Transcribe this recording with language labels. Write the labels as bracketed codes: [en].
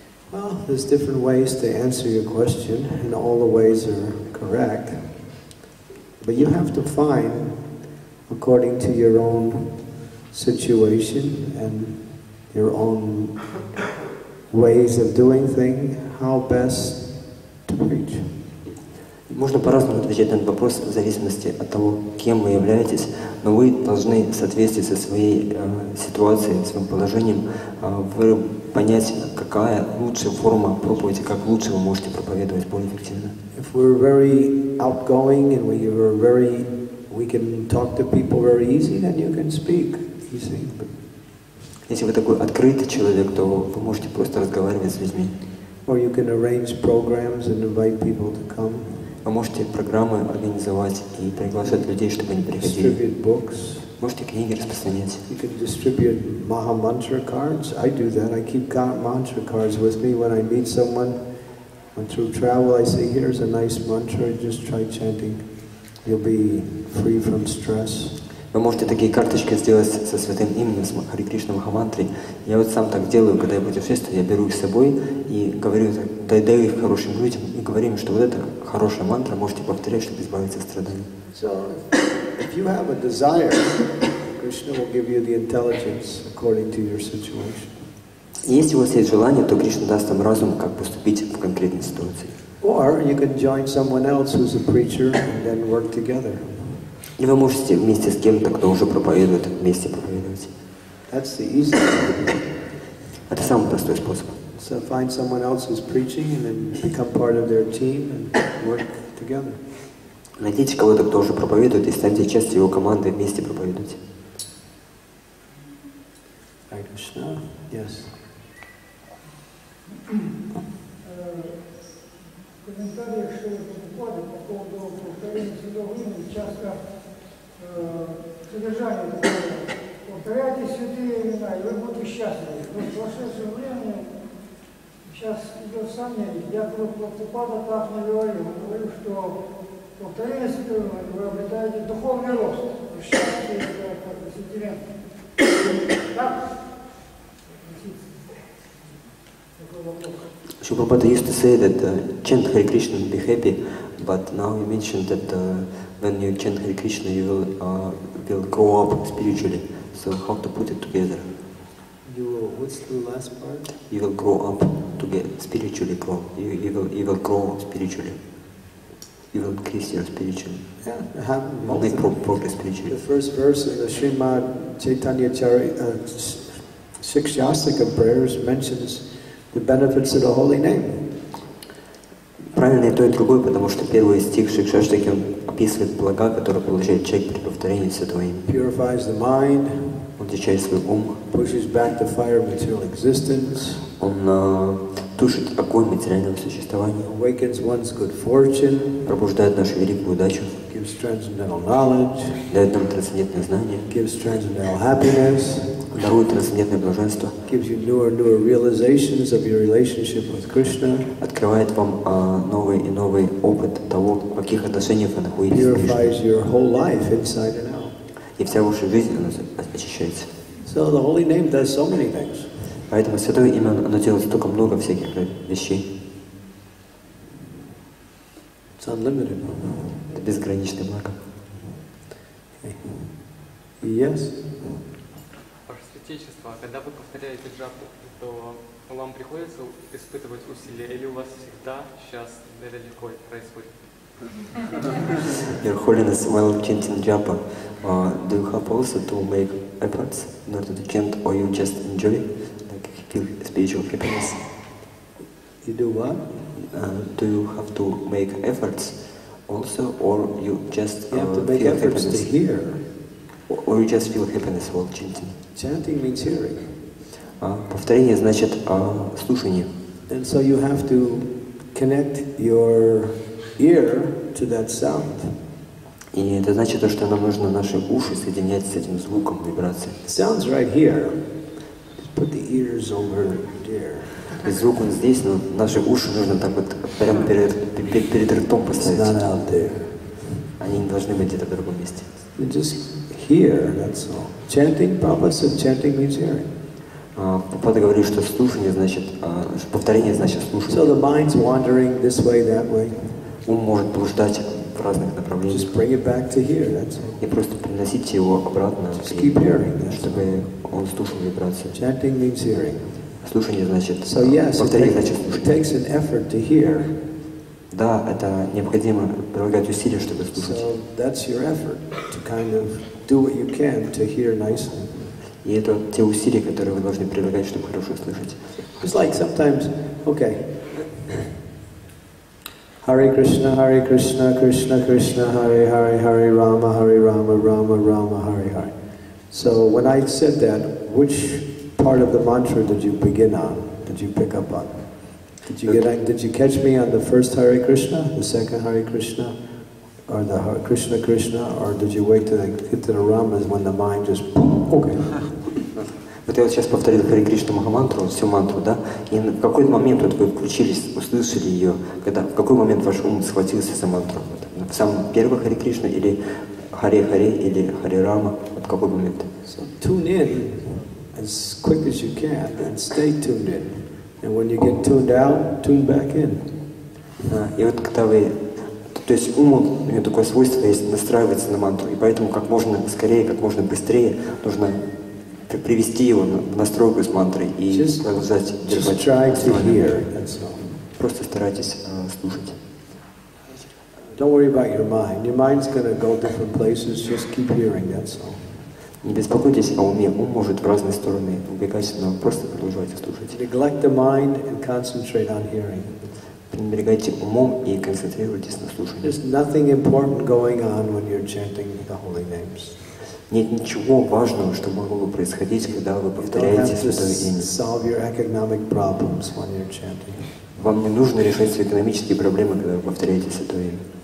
[en] Well, there's different ways to answer your question, and all the ways are correct. But you have to find, according to your own situation and your own ways of doing things, how best to preach. [ru] Можно по-разному отвечать на этот вопрос в зависимости от того, кем вы являетесь, но вы должны в соответствии со своей ситуацией, своим положением, понять, какая лучшая форма проповеди, как лучше вы можете проповедовать более эффективно. [en] If we're very outgoing and we can talk to people very easy, then you can speak easy. [ru] Если вы такой открытый человек, то вы можете просто разговаривать с людьми. [en] Or you can arrange programs and invite people to come. [ru] Вы можете программы организовать и приглашать людей, чтобы они приходили. Можете книги распространять. [en] You can distribute Maha Mantra cards. I do that. I keep mantra cards with me when I meet someone. When through travel, I say, here's a nice mantra. Just try chanting. You'll be free from stress. [ru] Вы можете такие карточки сделать со святым именем, с Хари Кришна Махамантрой. Я вот сам так делаю, когда я путешествую, я беру их с собой и говорю, даю их хорошим людям и говорю им, что вот это хорошая мантра, можете повторять, чтобы избавиться от страданий. [en] So, if you have a desire, Krishna will give you the intelligence according to your situation. [ru] Если у вас есть желание, то Кришна даст вам разум, как поступить в конкретной ситуации. [en] Or you can join someone else who's a preacher and then work together. [ru] И вы можете вместе с кем-то, кто уже проповедует, вместе проповедовать. [en] That's the easy way. [ru] Это самый простой способ. [en] So find someone else who's preaching and then become part of their team and work together. [ru] Найдите кого-то, кто уже проповедует, и станьте частью его команды, вместе проповедуйте. [en] Hare Krishna. Yes. [ru] Комментарии, что вы покупали по поводу повторения святого имени, часто содержание такое. Повторяйте святые имена, и вы будете счастливы. Но в прошедшее время сейчас идет сомнение. Я про Прабхупада так не говорил. Я говорю, что повторение святого имени, вы обретаете духовный рост. Счастье – это как сентимент. Так? [en] Shubhapada used to say that chant Hare Krishna and be happy, but now you mentioned that when you chant Hare Krishna you will grow up spiritually. So how to put it together? You will, what's the last part? You will grow up together, spiritually grow. You will grow spiritually. You will increase your spiritual. Yeah, have only the, progress spiritually. The first verse of the Srimad Chaitanya Charita Shikshastikam prayers mentions the benefits of the holy name. [ru] Правильно и то, и другое, потому что первый стих Шикшаштаки описывает блага, которые получает человек при повторении святого имени. [en] Purifies the mind. [ru] Он очищает свой ум. [en] Pushes back the fire of material existence. [ru] Он тушит огонь материального существования. [en] Awakens one's good fortune. [ru] Пробуждает нашу великую удачу. [en] Gives transcendental knowledge. [ru] Дает нам трансцендентное знание. [en] Gives transcendental happiness. [ru] Дарует трансцендентное блаженство. [en] Gives you newer realizations of your relationship with Krishna. [ru] Открывает вам новый и новый опыт того, в каких отношениях вы находитесь. [en] Purifies your whole life inside and out. [ru] И вся ваша жизнь очищается. [en] So the holy name does so many things. [ru] Поэтому святое имя, оно делает столько много всяких вещей. [en] It's unlimited. [ru] Это безграничное благо. [en] Okay. Yes. [ru] Когда вы повторяете джапу, то вам приходится испытывать усилия, или у вас всегда сейчас далеко происходит? [en] Your Holiness, while chanting japa, do you have also to make efforts in order to chant, or you just enjoy, like feel spiritual happiness? You do what? Do you have to make efforts also, or you just you have to make feel efforts happiness? To hear? Or you just feel happiness while chanting? Chanting means hearing. [ru] Повторение значит слушание. [en] And so you have to connect your ear to that sound. [ru] И это значит, что нам нужно наши уши соединять с этим звуком вибрации. [en] The sound's right here. Just put the ears over there. [ru] То есть звук он здесь, но наши уши нужно так вот прямо перед ртом поставить. [en] It's not out there. [ru] Они не должны быть где-то в другом месте. [en] Hear, that's all. Chanting, Prabhupada said, chanting means hearing. [ru] Prabhupada говорит, что слушание значит, повторение значит слушание. [en] So the mind's wandering this way, that way. [ru] Ум может блуждать в разных направлениях. [en] Just bring it back to hear, that's all. [ru] И просто приносите его обратно. [en] Just keep hearing, that's all. [ru] Чтобы он слушал вибрацию. [en] Chanting means hearing. [ru] Слушание значит, [en] so yes, [ru] повторение значит слушание. [en] It takes an effort to hear. [ru] Да, это необходимо прилагать усилия, чтобы слушать. [en] So that's your effort to kind of do what you can to hear nicely. [ru] И это те усилия, которые вы должны прилагать, чтобы хорошо слышать. [en] It's like sometimes, okay. [sa] Hare Krishna, Hare Krishna, Krishna Krishna, Hare Hare, Hare Rama, Hare Rama, Rama Rama, Hare Hare. [en] So when I said that, which part of the mantra did you begin on? Did you pick up on? Did you get? Okay. Did you catch me on the first Hare Krishna, the second Hare Krishna, or the Hare Krishna Krishna, or did you wait till get to the Ramas when the mind just? Okay. [ru] Вот я вот сейчас повторил Хари Кришна Махамантру, всю мантру, да? И в какой момент вот вы включились, услышали ее? Когда? В какой момент ваш ум схватился за мантру? В самом первом Хари Кришна или Hare Hare или Hare Rama, от какого момента? [en] So tune in as quick as you can and stay tuned in. And when you get tuned out, tune back in. [ru] И вот когда вы, то есть ум, у него такое свойство есть настраиваться на мантру, и поэтому как можно скорее, как можно быстрее нужно привести его в настройку с мантрой и продолжать держать. [en] Just try to hear, that's all. [ru] Просто старайтесь слушать. [en] Don't worry about your mind. Your mind's gonna go different places. Just keep hearing, that's all. [ru] Не беспокойтесь о уме, ум может в разные стороны убегать, но просто продолжайте слушать. [en] Neglect the mind and concentrate on hearing. [ru] Пренебрегайте умом и концентрируйтесь на слушании. [en] There's nothing important going on when you're chanting the holy names. [ru] Нет ничего важного, что могло бы происходить, когда вы повторяете святое имя. [en] Solve your economic problems when you're chanting. [ru] Вам не нужно решать свои экономические проблемы, когда вы повторяете святое имя.